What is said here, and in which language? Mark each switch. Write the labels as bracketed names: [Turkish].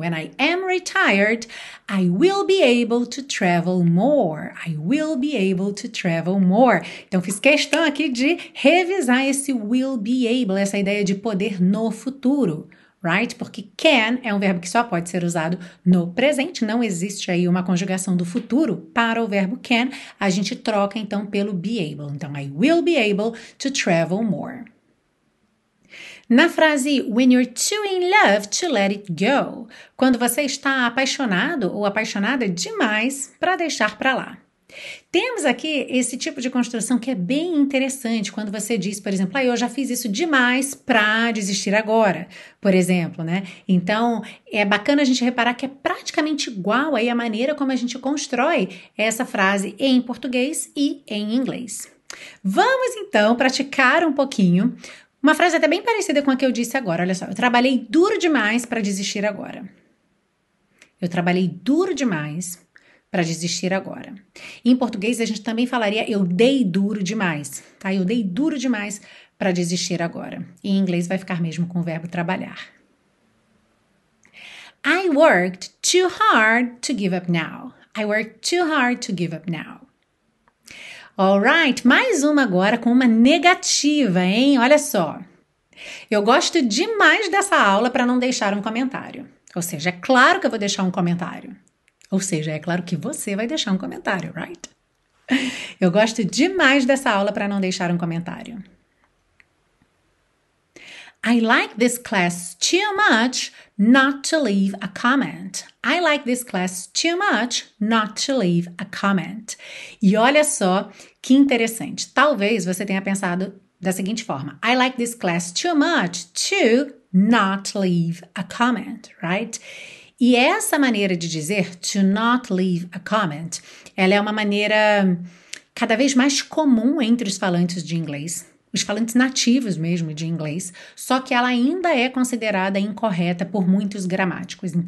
[English] When I am retired, I will be able to travel more. I will be able to travel more. [Portuguese] Então, fiz questão aqui de revisar esse will be able, essa ideia de poder no futuro, right? Porque can é um verbo que só pode ser usado no presente, não existe aí uma conjugação do futuro para o verbo can. A gente troca então pelo be able. [English] Então, I will be able to travel more. [Portuguese] Na frase [English] when you're too in love to let it go, [Portuguese] quando você está apaixonado ou apaixonada demais para deixar para lá. Temos aqui esse tipo de construção que é bem interessante quando você diz, por exemplo, ah, eu já fiz isso demais para desistir agora, por exemplo, né? Então, é bacana a gente reparar que é praticamente igual aí a maneira como a gente constrói essa frase em português e em inglês. Vamos então praticar um pouquinho uma frase até bem parecida com a que eu disse agora. Olha só, eu trabalhei duro demais para desistir agora. Eu trabalhei duro demais para desistir agora. Em português, a gente também falaria eu dei duro demais, tá? Eu dei duro demais para desistir agora. Em inglês, vai ficar mesmo com o verbo trabalhar. [English] I worked too hard to give up now. I worked too hard to give up now. [Portuguese] All right, mais uma agora com uma negativa, hein? Olha só. Eu gosto demais dessa aula para não deixar um comentário. Ou seja, é claro que eu vou deixar um comentário. Ou seja, é claro que você vai deixar um comentário, right? Eu gosto demais dessa aula para não deixar um comentário. [English] I like this class too much not to leave a comment. I like this class too much not to leave a comment. [Portuguese] E olha só que interessante. Talvez você tenha pensado da seguinte forma: [English] I like this class too much to not leave a comment, [Portuguese] right? E essa maneira de dizer to not leave a comment, ela é uma maneira cada vez mais comum entre os falantes de inglês, os falantes nativos mesmo de inglês, só que ela ainda é considerada incorreta por muitos gramáticos.